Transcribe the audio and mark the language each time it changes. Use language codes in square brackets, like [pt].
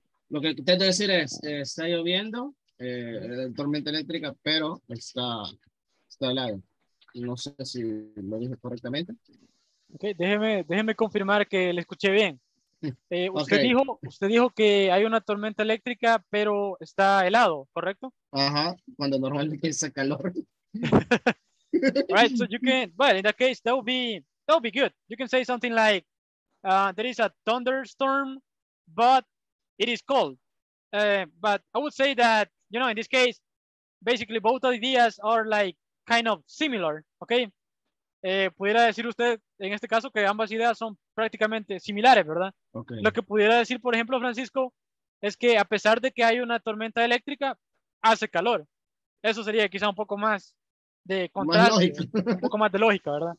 [es] Lo que intento decir es, está lloviendo, tormenta eléctrica, pero está helado. No sé si lo dije correctamente. Ok, déjeme confirmar que le escuché bien. Usted, okay. usted dijo que hay una tormenta eléctrica, pero está helado, ¿correcto? Ajá, cuando normalmente hace calor. [en] Right, so you can, well, in that case, that would be good. You can say something like, there is a thunderstorm, but it is cold, but I would say that, you know, in this case, basically both ideas are like kind of similar, okay? [es] Pudiera decir usted, en este caso, que ambas ideas son prácticamente similares, ¿verdad? [en] Okay. [es] Lo que pudiera decir, por ejemplo, Francisco, es que a pesar de que hay una tormenta eléctrica, hace calor. Eso sería quizá un poco más de contraste, un poco más de lógica, ¿verdad?